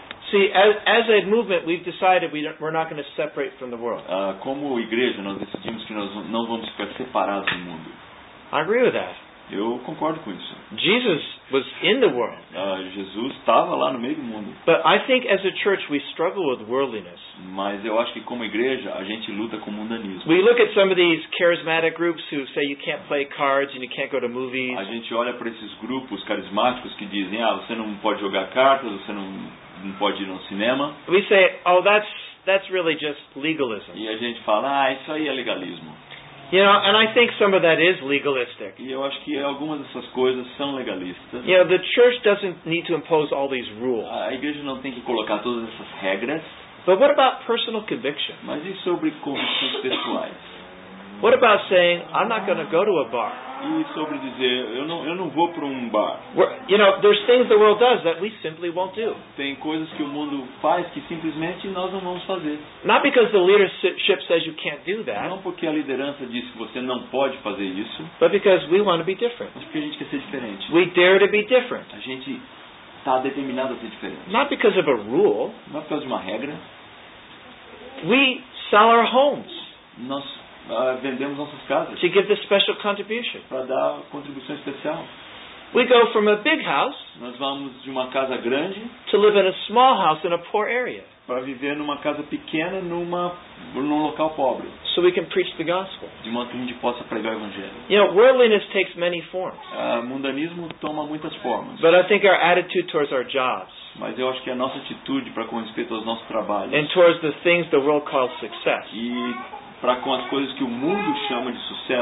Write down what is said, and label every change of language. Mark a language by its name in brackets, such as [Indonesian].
[English] See, as a movement, we've decided we're not going to separate from the world. [Portuguese] Como igreja, nós decidimos que nós não vamos ficar separados do mundo. [English] I agree with that. [Portuguese] Eu concordo com isso. [English] Jesus was in the world. [Portuguese] Jesus estava lá no meio do mundo. [English] But I think as a church we struggle with worldliness. [Portuguese] Mas eu acho que como igreja a gente luta com o mundanismo. [English] We look at some of these charismatic groups who say you can't play cards and you can't go to movies. [Portuguese] A gente olha para esses grupos carismáticos que dizem, você não pode jogar cartas, você não pode ir ao cinema. [English] We say, oh, that's really just legalism. [Portuguese] E a gente fala, isso aí é legalismo. [English] You know, and I think some of that is legalistic. [Portuguese] E eu acho que algumas dessas coisas são legalistas. [English] You know, the church doesn't need to impose all these rules. [Portuguese] A igreja não tem que colocar todas essas regras. [English] But what about personal conviction? [Portuguese] Mas e sobre convicções pessoais? [English] What about saying I'm not going to go to a bar? [Portuguese] E sobre dizer eu não vou para bar. [English] You know, there's things the world does that we simply won't do. [Portuguese] Tem coisas que o mundo faz que simplesmente nós não vamos fazer. [English] Not because the leadership says you can't do that. [Portuguese] Não porque a liderança diz que você não pode fazer isso. [English] But because we want to be different. [Portuguese] Mas porque a gente quer ser diferente. [English] We dare to be different. [Portuguese] A gente está determinado a ser diferente. [English] Not because of a rule. [Portuguese] Não por causa de uma regra. [English] We sell our homes. [Portuguese] Nós vendemos nossas casas. [English] To give this special contribution. [Portuguese] Para dar contribuição especial. [English] We go from a big house. [Portuguese] Nós vamos de uma casa grande. [English] To live in a small house in a poor area. [Portuguese] Para viver numa casa pequena num local pobre. [English] So we can preach the gospel. [Portuguese] De modo que a gente possa pregar o evangelho. [English] You know, worldliness takes many forms. [Portuguese] Mundanismo toma muitas formas. [English] But I think our attitude towards our jobs. [Portuguese] Mas eu acho que a nossa atitude para com respeito aos nossos trabalhos. [English] And towards the things the world calls success. [Portuguese] E para com as coisas que o mundo chama de sucesso.